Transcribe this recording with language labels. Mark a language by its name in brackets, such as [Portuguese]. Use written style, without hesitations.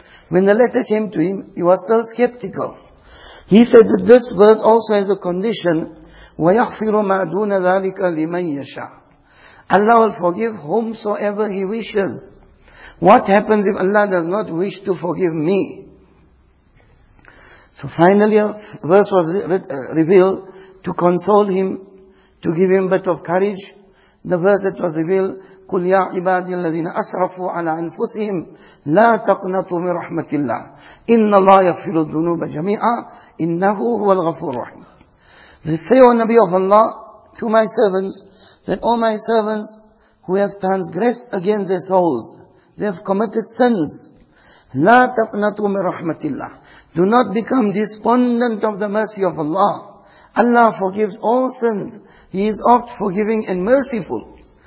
[English] When the letter came to him, he was still skeptical. He said that this verse also has a condition, [Arabic] وَيَغْفِرُ مَا دُونَ ذَلِكَ لِمَنْ يَشَاءُ. [English] Allah will forgive whomsoever He wishes. What happens if Allah does not wish to forgive me? So finally a verse was revealed to console him, to give him a bit of courage. The verse that was revealed, [Arabic] قُلْ يَا عِبَادِ الَّذِينَ أَسْرَفُوا عَلَىٰ أَنفُسِهِمْ لَا تَقْنَطُوا مِنْ رَحْمَةِ اللَّهِ إِنَّ اللَّهَ يَغْفِرُ الذُّنُوبَ جَمِيعًا إِنَّهُ هُوَ الْغَفُورُ الرَّحِيمُ. [English] They say, O Nabi of Allah, to my servants, that all my servants who have transgressed against their souls, they have committed sins, [Arabic] لَا تَقْنَطُوا مِنْ رَحْمَةِ اللَّهِ, [English] do not become despondent of the mercy of Allah. Allah forgives all sins. He is oft forgiving and merciful.